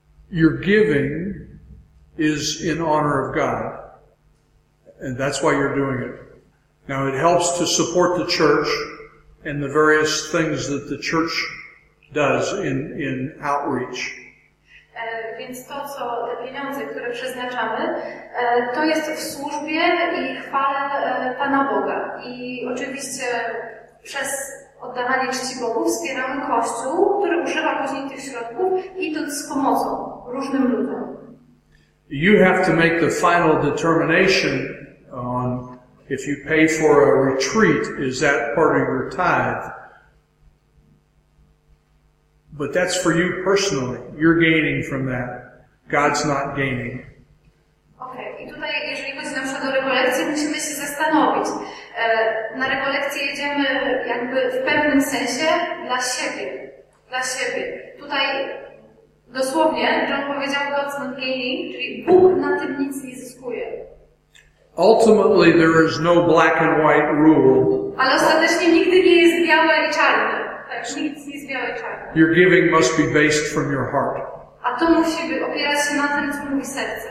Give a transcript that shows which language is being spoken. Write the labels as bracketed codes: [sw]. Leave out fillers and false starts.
[en] Your giving is in honor of God, and that's why you're doing it. Now, it helps to support the church and the various things that the church does in outreach. [pl] Więc to, co te pieniądze, które przeznaczamy, to jest w służbie i chwale Pana Boga. I oczywiście przez oddawanie czci Bogu wspieramy Kościół, który używa później tych środków, idąc z pomocą różnym ludziom. [en] You have to make the final determination on if you pay for a retreat, is that part of your tithe? But that's for you personally. You're gaining from that. God's not gaining. Okay. [pl] I tutaj, jeżeli chodzi na przykład o rekolekcję, musimy się zastanowić. Na rekolekcję jedziemy jakby w pewnym sensie dla siebie. Dla siebie. Tutaj dosłownie, John powiedział, [en] God's not gaining, [pl] czyli Bóg na tym nic nie zyskuje. [en] Ultimately, there is no black and white rule. [pl] Ale ostatecznie nigdy nie jest białe i czarne. Tak, nic nie jest białe i czarne. [en] Your giving must be based from your heart. [pl] A to musi opierać się na tym, co mówi serce.